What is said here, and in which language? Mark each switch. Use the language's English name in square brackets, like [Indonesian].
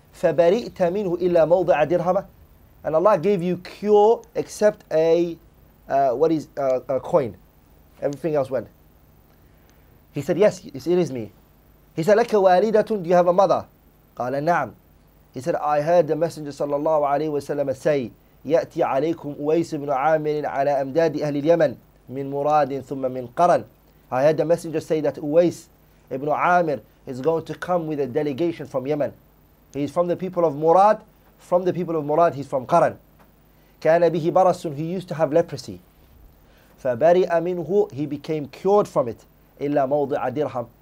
[Arabic] فبرئت منه إلا موضع درهمة. [English] And Allah gave you cure except a coin. Everything else went. He said, yes, it is me. He said, [Arabic] لك والدة. [English] Do you have a mother? [Arabic] قال نعم. [English] He said, I heard the Messenger [Arabic] صلى الله عليه وسلم say, يأتي عليكم أويس بن عامر على أمداد أهل اليمن من مراد ثم من قرن. [English] I heard the Messenger say that Uwais ibn Amir is going to come with a delegation from Yemen. He's from the people of Murad. From the people of Murad, he's from Qaran. [Arabic] كَانَ بِهِ بَرَسٌ. [English] He used to have leprosy. [Arabic] فَبَرِئَ مِنْهُ. [English] He became cured from it. [Arabic] إِلَّا مَوْضِعَ دِرْهَمْ.